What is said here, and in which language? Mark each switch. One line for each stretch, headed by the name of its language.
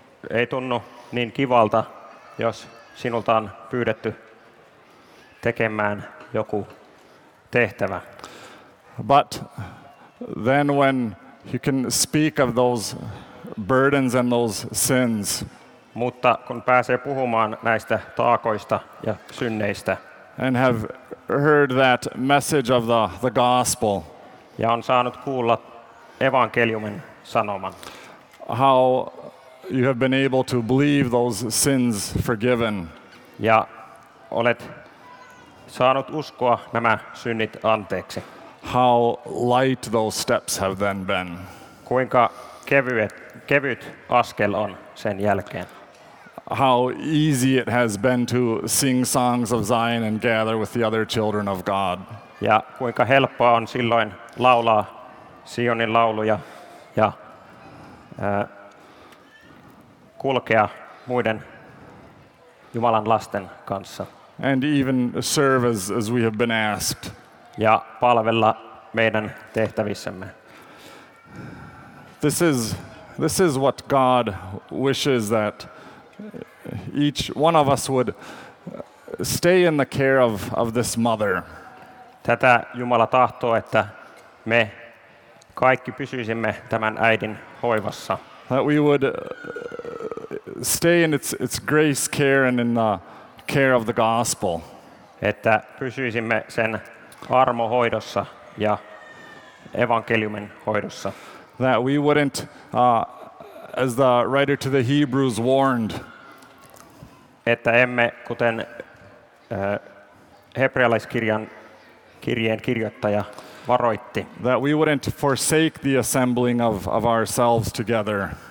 Finnish: Ei tunnu niin kivalta, jos sinulta on pyydetty tekemään joku tehtävä.
English: But then when you can speak of those burdens and those sins.
Finnish: Mutta kun pääsee puhumaan näistä taakoista ja synneistä.
English: And have heard that message of the gospel.
Finnish: Ja on saanut kuulla evankeliumin sanoman.
English: How you have been able to believe those sins forgiven.
Finnish: Ja olet saanut uskoa nämä synnit anteeksi.
English: How light those steps have then been.
Finnish: Kuinka kevyt askel on sen jälkeen.
English: How easy it has been to sing songs of Zion and gather with the other children of God.
Finnish: Ja kuinka helppoa on silloin laulaa Sionin lauluja ja kulkea muiden Jumalan lasten kanssa.
English: And even serve as we have been asked.
Finnish: Ja palvella meidän tehtävissämme.
English: This is This is what God wishes, that each one of us would stay in the care of this mother.
Finnish: Tätä Jumala tahtoo, että me kaikki pysyisimme tämän äidin hoivassa.
English: That we would stay in its grace, care, and in the care of the gospel.
Finnish: Että pysyisimme sen armohoidossa ja evankeliumin hoidossa.
English: That we wouldn't, as the writer to the Hebrews warned,
Finnish: että emme, kuten hebrealaiskirjan kirjeen kirjoittaja varoitti,
English: that we wouldn't forsake the assembling of ourselves together,